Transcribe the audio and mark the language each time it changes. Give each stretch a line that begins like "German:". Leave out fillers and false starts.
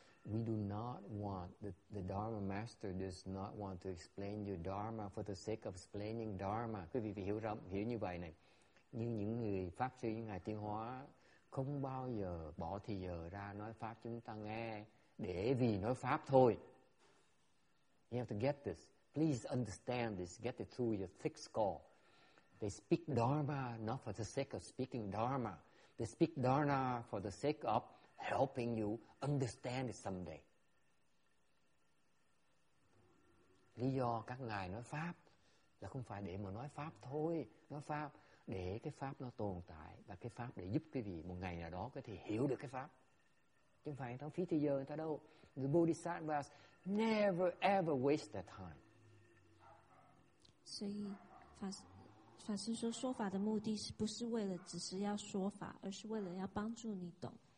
English: We do not want, the Dharma master does not want to explain your Dharma for the sake of explaining Dharma.
Vietnamese: Quý vị phải hiểu rộng, hiểu như vậy này. Như những người Pháp sư, những Ngài Tiên Hóa không bao giờ bỏ thì giờ ra nói Pháp chúng ta nghe để vì nói Pháp thôi.
English: You have to get this. Please understand this. Get it through your thick skull. They speak Dharma not for the sake of speaking Dharma. They speak dharana for the sake of helping you understand it someday.
Vietnamese: Lý do các ngài nói pháp là không phải để mà nói pháp thôi, nói pháp để cái pháp nó tồn tại và cái pháp để giúp quý vị một ngày nào đó có thể hiểu được cái pháp. Chứ không phải trong phí thời giờ người ta đâu.
English: The Bodhisattvas never ever waste their time.
Chinese: 所以法师说说法的目的是不是为了只是要说法，而是为了要帮助你懂。